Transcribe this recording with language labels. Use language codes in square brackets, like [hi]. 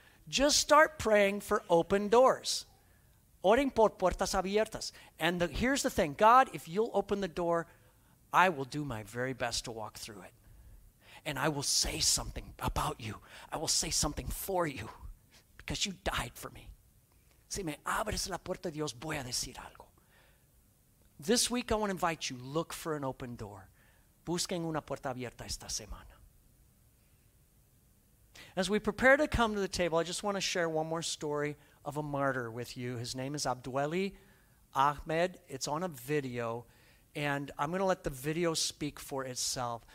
[en] Just start praying for open doors. [es] Oren por puertas abiertas. [en] And here's the thing. God, if you'll open the door, I will do my very best to walk through it. And I will say something about you. I will say something for you because you died for me. [es] Si me abres la puerta de Dios, voy a decir algo. [en] This week, I want to invite you, look for an open door. [es] Busquen una puerta abierta esta semana. [en] As we prepare to come to the table, I just want to share one more story of a martyr with you. His name is Abdueli Ahmed. It's on a video, and I'm going to let the video speak for itself.